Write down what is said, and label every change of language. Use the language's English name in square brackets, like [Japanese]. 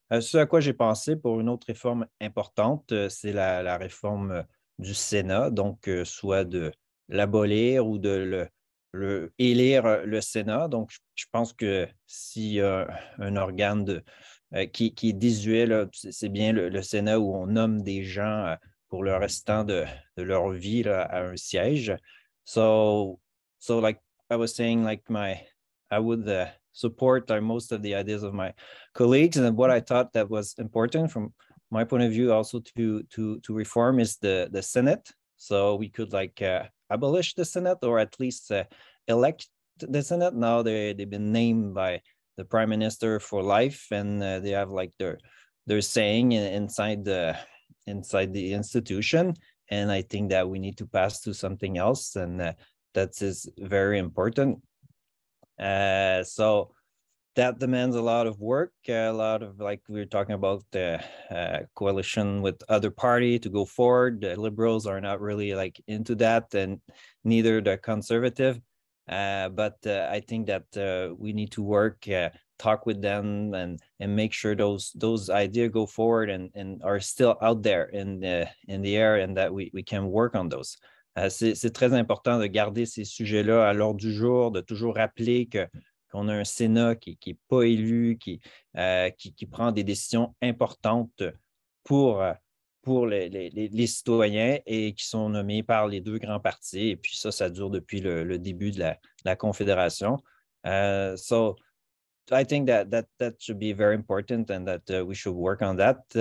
[French] Ce à quoi j'ai pensé pour une autre réforme importante, c'est la réforme du Sénat, donc soit de l'abolir ou de le élire le Sénat. Donc, je pense que si un organe qui est désuet, là, c'est bien le Sénat où on nomme des gens pour le restant de leur vie là, à un siège. [English] So like I was saying, like I would support most of the ideas of my colleagues, and what I thought that was important from my point of view also to reform is the Senate. So we could abolish the Senate, or at least elect the Senate. Now they've been named by the Prime Minister for life, and they have their saying inside the institution. And I think that we need to pass to something else, and that is very important. So that demands a lot of work, a lot of we're talking about the coalition with other party to go forward. The Liberals are not really into that, and neither the Conservative. But I think that we need to work, talk with them, and make sure those ideas go forward and are still out there in the air, and that we can work on those. [French] C'est très important de garder ces sujets-là à l'ordre du jour, de toujours rappeler qu'on a un Sénat qui est pas élu, qui prend des décisions importantes pour les citoyens et qui sont nommés par les deux grands partis. Et puis ça dure depuis le début de la Confédération. [English] So I think that should be very important, and that we should work on that.